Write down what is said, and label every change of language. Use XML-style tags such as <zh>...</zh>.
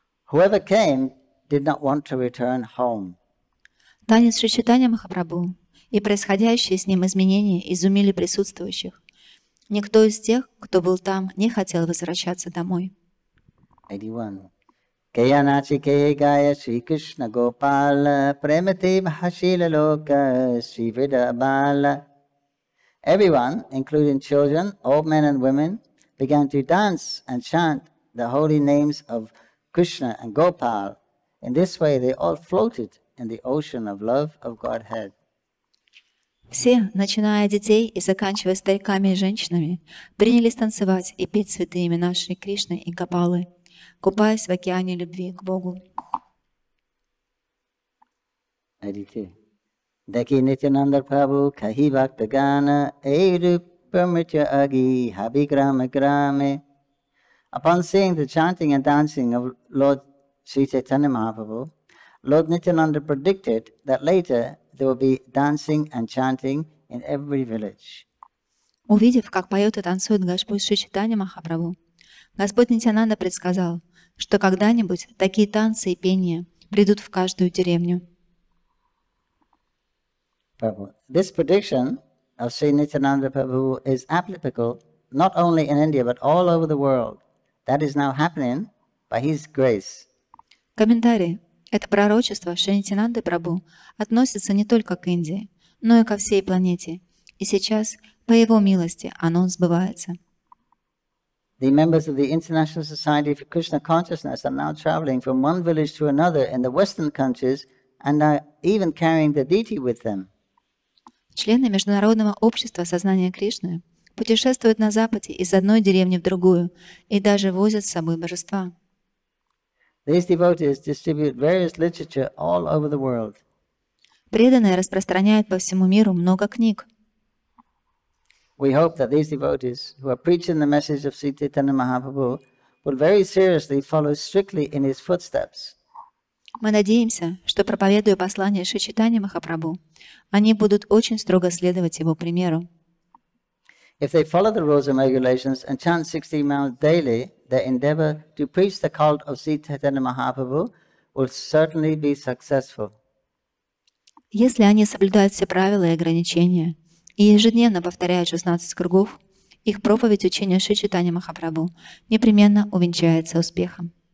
<en>Whoever came did not want to return home.</en> <ru>Танец Шри Чайтанья Махапрабху и происходящие с ним изменения изумили присутствующих. Никто из тех, кто был там, не хотел возвращаться домой. 81. Кея начи кея гая Шри Кришна Гопала Премати Махашила Лока Шри Вида Бала.</ru> <en>Everyone, including children, old men and women, began to dance and chant the holy names of Krishna and Gopal. In this way, they all floated in the ocean of love of Godhead.</en> <ru>Все, начиная от детей и заканчивая стариками и женщинами, принялись танцевать и петь святые имена Шри Кришны и Гопалы, купаясь в океане любви к Богу. Деки Нитянанда Прабху Кахи Бхактагана Эйру Пармитя Аги Хаби Грама Граме.</ru> <en>Upon seeing the chanting and dancing of Lord Sri Caitanya Mahaprabhu, Lord Nityananda predicted that later there will be dancing and chanting in every village.</en> <ru>Увидев, как поет и танцует Господь Шри Чайтанья Махапрабху, Господь Нитянанда предсказал, что когда-нибудь такие танцы и пения придут в каждую деревню.</ru> <en>Prabhu, this prediction of Sri Nityananda Prabhu is applicable not only in India but all over the world. That is now happening by His grace.</en> <ru>Комментарий. Это пророчество Шри Нитянанды Прабху относится не только к Индии, но и ко всей планете. И сейчас, по Его милости, оно сбывается.</ru> <en>The members of the International Society for Krishna Consciousness are now traveling from one village to another in the Western countries and are even carrying the deity with them.</en> <ru>Члены Международного общества сознания Кришны путешествуют на Западе из одной деревни в другую и даже возят с собой божества.</ru> <en>These devotees distribute various literature all over the world.</en> <ru>Преданные распространяют по всему миру много книг.</ru> <en>We hope that these devotees, who are preaching the message of Sri Caitanya Mahaprabhu, will very seriously follow strictly in his footsteps.</en> <ru>Мы надеемся, что проповедуя послание Шри Чайтанья Махапрабху, они будут очень строго следовать его примеру.</ru> <en>If they follow the rules and regulations and chant 16 rounds daily, their endeavor to preach the cult of Sri Caitanya Mahaprabhu will certainly be successful.</en> <ru>Если они соблюдают все правила и ограничения и ежедневно повторяют 16 кругов, их проповедь учения Шри Чайтанья Махапрабху непременно увенчается успехом.</ru>